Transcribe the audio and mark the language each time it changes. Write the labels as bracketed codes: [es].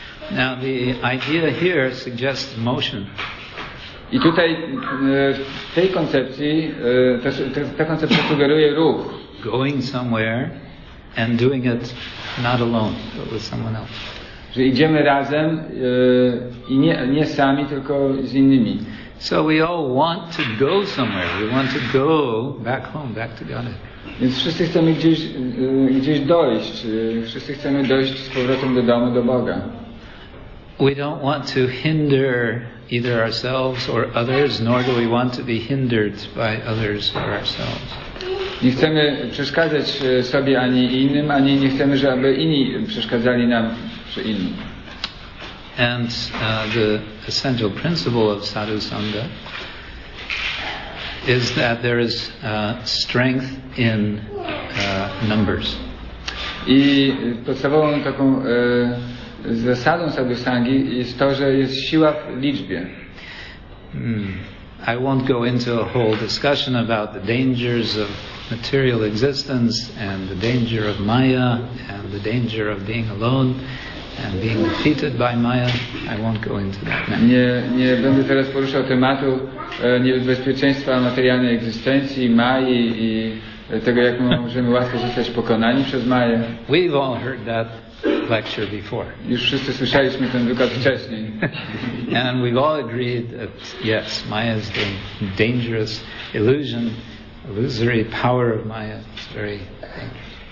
[en] Now the idea here suggests motion. [pl] I tutaj w tej koncepcji ta koncepcja sugeruje ruch. [en] Going somewhere and doing it not alone, but with someone else. [pl] Że idziemy razem i nie sami, tylko z innymi. [en] So we all want to go somewhere. We want to go back home, back to God. [pl] Więc wszyscy chcemy gdzieś dojść. Wszyscy chcemy dojść z powrotem do domu, do Boga. [en] We don't want to hinder either ourselves or others, nor do we want to be hindered by others or ourselves. [pl] Nie chcemy przeszkadzać sobie ani innym, ani nie chcemy, żeby inni przeszkadzali nam czy innym. [en] And the essential principle of sadhu sangha is that there is strength in numbers. [pl] I podstawową taką zasadą sadhu sangi jest to, że jest siła w liczbie. [en] I won't go into a whole discussion about the dangers of material existence and the danger of Maya and the danger of being alone and being defeated by Maya. I won't go into that now. [pl] Nie będę teraz poruszał tematu niebezpieczeństwa materialnej egzystencji, Maji i tego, jak możemy łatwo zostać pokonani przez Maję. [en] We've all heard that lecture before. [pl] Już wszyscy słyszeliśmy ten wykład wcześniej. [en] And we've all agreed that yes, Maya is the dangerous illusion. Illusory power of Maya is very dangerous.